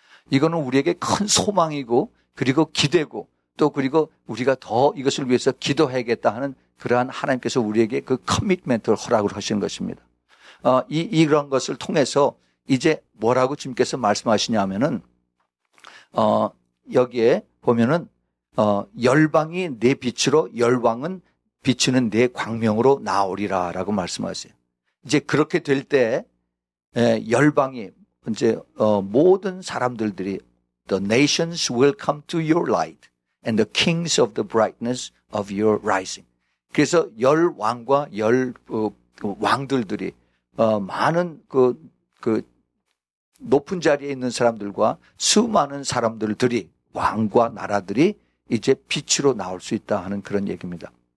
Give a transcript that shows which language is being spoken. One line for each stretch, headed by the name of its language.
Korean: 이거는 우리에게 큰 소망이고 그리고 기대고 또 그리고 우리가 더 이것을 위해서 기도해야겠다 하는 그러한 하나님께서 우리에게 그 커미트먼트를 허락을 하시는 것입니다. 이런 것을 통해서 이제 뭐라고 주님께서 말씀하시냐면은 여기에 보면은 열방이 내 빛으로 열방은 비추는 내 광명으로 나오리라 라고 말씀하세요. 이제 그렇게 될 때 열방이 이제 모든 사람들이
English: The nations will come to your light and the kings of the brightness of your rising.
Korean: 그래서 열왕과 열왕들이 많은 높은 자리에 있는 사람들과 수많은 사람들이 왕과 나라들이 이제 빛으로 나올 수 있다 하는 그런 얘기입니다.